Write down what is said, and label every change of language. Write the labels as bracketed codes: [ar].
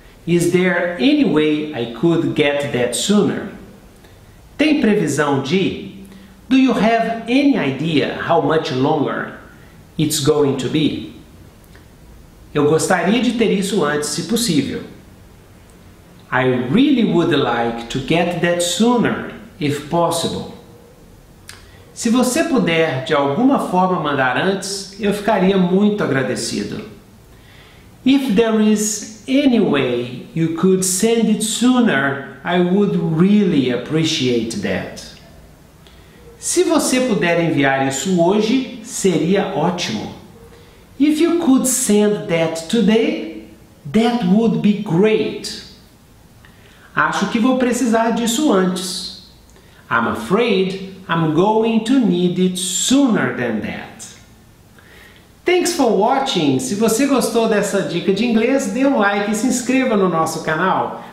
[en] Is there any way I could get that sooner? [pt] Tem previsão de? [en] Do you have any idea how much longer it's going to be? [pt] Eu gostaria de ter isso antes, se possível. [en] I really would like to get that sooner. If possible. [pt] Se você puder de alguma forma mandar antes, eu ficaria muito agradecido. [en] If there is any way you could send it sooner, I would really appreciate that. [pt] Se você puder enviar isso hoje, seria ótimo. [en] If you could send that today, that would be great. [pt] Acho que vou precisar disso antes. [en] I'm afraid I'm going to need it sooner than that. Thanks for watching. [pt] Se você gostou dessa dica de inglês, dê um like e se inscreva no nosso canal.